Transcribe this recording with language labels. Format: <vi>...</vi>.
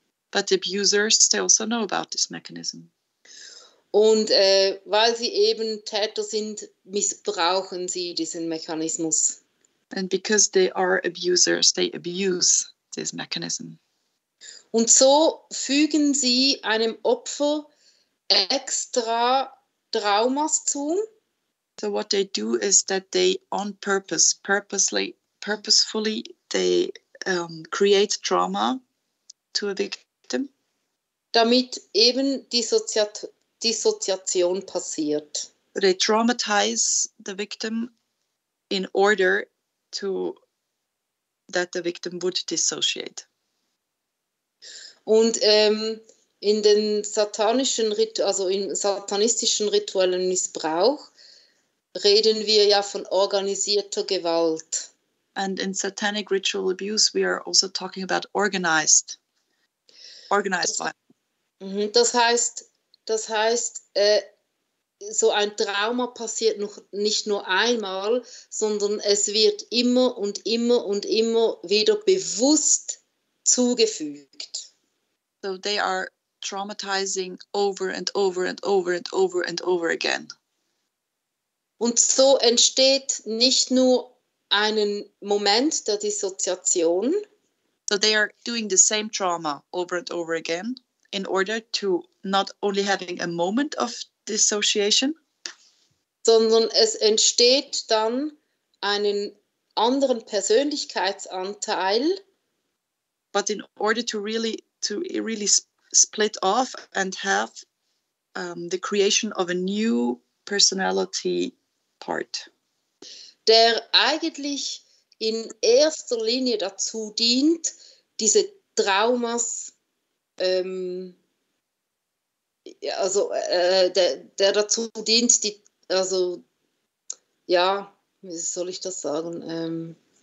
<en>But the abusers, they also know about this mechanism.</en> <de>Und weil sie eben Täter sind, missbrauchen sie diesen Mechanismus.</de> <en>And because they are abusers, they abuse this mechanism.</en> <de>Und so fügen sie einem Opfer extra Traumas zu.</de> <en>So what they do is that they on purpose, purposefully, they create trauma to a victim.</en> <de>Damit eben Dissoziation passiert.</de> <en>They traumatize the victim in order to that the victim would dissociate.</en> <de>Und in den satanischen satanistischen rituellen Missbrauch reden wir ja von organisierter Gewalt.</de> <en>And in satanic ritual abuse we are also talking about organized violence.</en> <de>Das heißt, so ein Trauma passiert noch nicht nur einmal, sondern es wird immer und immer und immer wieder bewusst zugefügt.</de> <en>So they are traumatizing over and over and over and over and over again.</en> <de>Und so entsteht nicht nur einen Moment der Dissoziation.</de> <en>So they are doing the same trauma over and over again in order to not only having a moment of dissociation,</en> <de>sondern es entsteht dann einen anderen Persönlichkeitsanteil.</de> <en>But in order to really split off and have the creation of a new personality part.</en> <de>Der eigentlich in erster Linie dazu dient, diese Traumas der dazu dient, die, also ja, wie soll ich das sagen?</de>